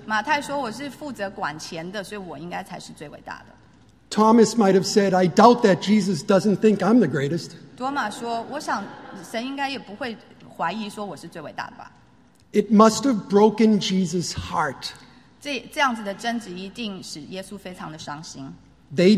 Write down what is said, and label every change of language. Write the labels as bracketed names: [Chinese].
[Chinese] 马太说我是负责管钱的，所以我应该才是最伟大的。Thomas [English] might have said, "I doubt that Jesus doesn't think I'm the greatest." [Chinese] 多马说，我想神应该也不会怀疑说我是最伟大的吧。 [English] It must have broken Jesus' heart. [Chinese] 这样子的争执一定使耶稣非常的伤心。 [English] They